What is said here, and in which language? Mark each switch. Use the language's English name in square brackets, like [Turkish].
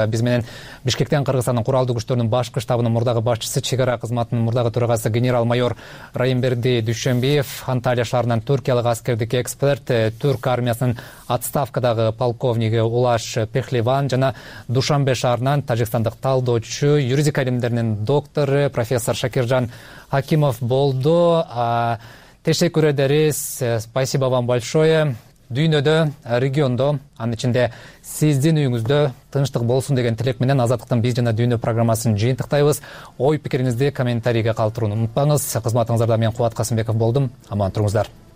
[Kyrgyz] Биз менен Бишкектен Кыргызстандын куралдуу күчтөрүнүн башкы штабынын мурдагы башчысы, чек ара кызматынын мурдагы төрагасы генерал-майор Райымберди Дүйшөнбеев, Анталия шаарынан түркиялык аскердик эксперт, түрк армиясынын отставкадагы полковниги Улаш Пехливан жана Душанбе шаарынан тажикстандык талдоочу, юридика илимдеринин доктору профессор Шакиржан Акимов болду. [Turkish] Тешекку эдерис, [Russian] спасибо вам большое. [Kyrgyz] Дүйнөдө, региондо, анын ичинде сиздин үйүңүздө тынчтык болсун деген тилек менен Азаттыктын биз жана дүйнө программасын жыйынтыктайбыз. Ой пикириңизди комментарийге калтырууну унутпаңыз. Кызматыңыздарда мен Кубат Касымбеков болдум. Аман туруңуздар.